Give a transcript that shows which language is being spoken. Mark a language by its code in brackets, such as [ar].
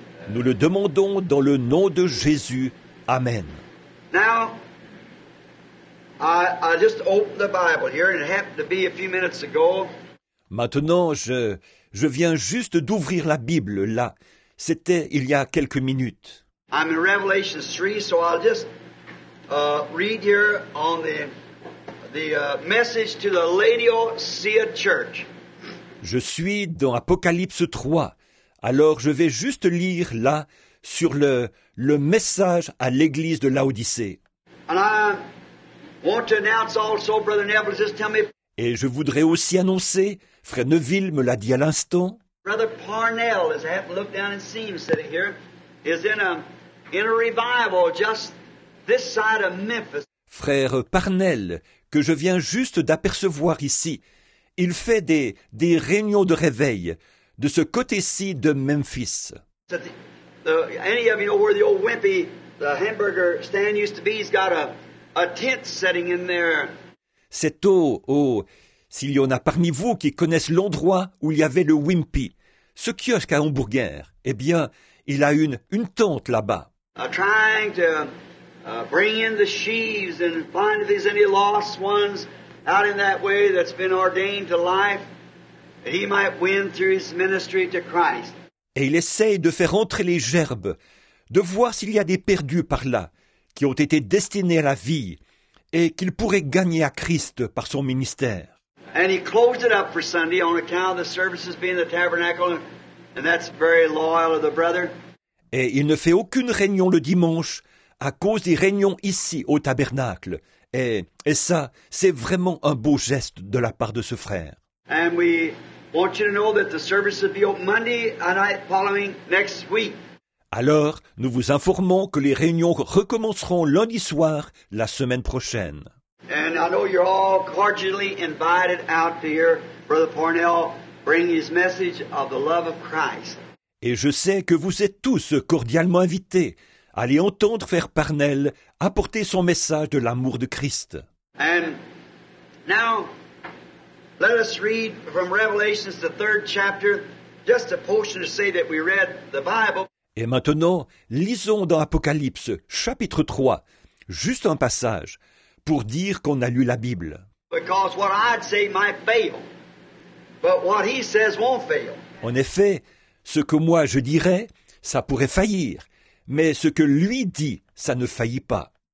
[fr] Nous le demandons dans le nom de Jésus. Amen. [en] Now, I just opened the Bible here and it happened to be a few minutes ago. [fr] Maintenant, je viens juste d'ouvrir la Bible là. C'était il y a quelques minutes. [en] I'm in Revelation 3, so I'll just read here on the message to the Laodicea church. [fr] Je suis dans Apocalypse 3. Alors je vais juste lire là sur le message à l'église de Laodicée. [en] And I want to announce also, Brother Neville, just tell me. [fr] Et je voudrais aussi annoncer, Frère Neville me l'a dit à l'instant. [en] Brother Parnell has happened to look down and see him sitting here. Is in a revival just this side of Memphis. [fr] Frère Parnell, que je viens juste d'apercevoir ici. Il fait des réunions de réveil de ce côté-ci de Memphis. [en] Any of you know where the old Wimpy, the hamburger stand used to be? He's got a tent setting in there. [fr] C'est s'il y en a parmi vous qui connaissent l'endroit où il y avait le Wimpy, ce kiosque à hamburger, eh bien, il a une tente là-bas. [en] Trying to bring in the sheaves and find if there's any lost ones out in that way that's been ordained to life, that he might win through his ministry to Christ. [fr] Et il essaye de faire entrer les gerbes, de voir s'il y a des perdus par là, qui ont été destinés à la vie, et qu'il pourrait gagner à Christ par son ministère. [en] And he closed it up for Sunday on account of the services being the tabernacle, and that's very loyal of the brother. [fr] Et il ne fait aucune réunion le dimanche, à cause des réunions ici au tabernacle. Et ça, c'est vraiment un beau geste de la part de ce frère. [en] And we want you to know that the service will be open Monday night following next week. [fr] Alors, nous vous informons que les réunions recommenceront lundi soir la semaine prochaine. [en] And I know you're all cordially invited out to hear Brother Parnell bring his message of the love of Christ. [fr] Et je sais que vous êtes tous cordialement invités. Allez entendre Frère Parnell apporter son message de l'amour de Christ. [en] And now, let us read from Revelation, the third chapter, just a portion to say that we read the Bible. [fr] Et maintenant, lisons dans Apocalypse, chapitre 3, juste un passage, pour dire qu'on a lu la Bible. [en] Because what I'd say might fail, but what he says won't fail. [fr] En effet, ce que moi je dirais, ça pourrait faillir. Mais ce que lui dit, ça ne faillit pas.